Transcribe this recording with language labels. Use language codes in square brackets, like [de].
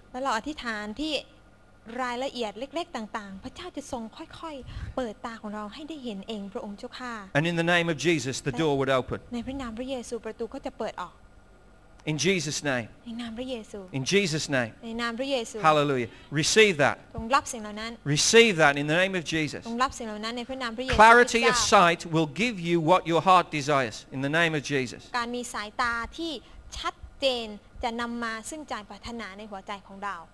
[th] และเราอธิษฐานที่รายละเอียดเล็กๆต่างๆพระเจ้าจะทรงค่อยๆเปิดตาของเราให้ได้เห็นเองพระองค์เจ้าค่ะ [en] And in the name of Jesus, the door would open. [th] ในพระนามพระเยซูประตูก็จะเปิดออก [en] In Jesus' name. [th] ในนามพระเยซู [en] In Jesus' name. [th] ในนามพระเยซู [en] Hallelujah. Receive that. [th] จงรับสิ่งเหล่านั้น [en] Receive that in the name of Jesus. [th] จงรับสิ่งเหล่านั้นในพระนามพระเยซู [en] Clarity of sight will give you what your heart desires in the name of Jesus. [th] การมีสายตาที่ชัดเจนจะนำมาซึ่งใจปรารถนาในหัวใจของเรา